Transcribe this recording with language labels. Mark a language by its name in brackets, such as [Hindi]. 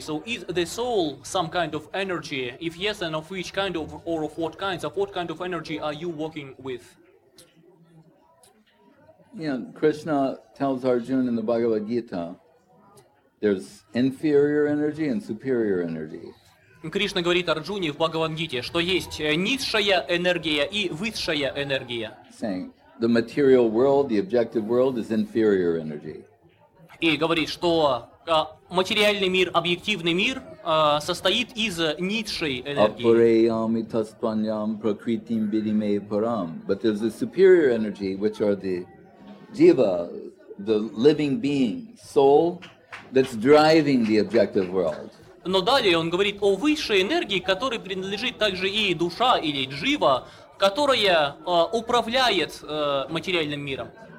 [English] So is the soul some kind of energy? If yes, then of which kind of, or of what kinds, of what kind of energy are you working with? Yeah, Krishna tells Arjuna in the Bhagavad Gita, there's inferior energy and superior energy. [Russian] Кришна говорит Арджуне в Бхагавад Гите, что есть низшая энергия и высшая энергия. [English] Saying the material world, the objective world, is inferior energy. [Russian] И говорит, что материальный мир, объективный мир, состоит из низшей энергии. [Sanskrit] Апареям итаспаньям прокритим бидиме парам. [English] But there's the superior energy, which are the Jiva, the living being, soul, that's driving the objective world. [Russian] Но далее он говорит о высшей энергии, которой принадлежит также и душа или джива, которая управляет материальным миром.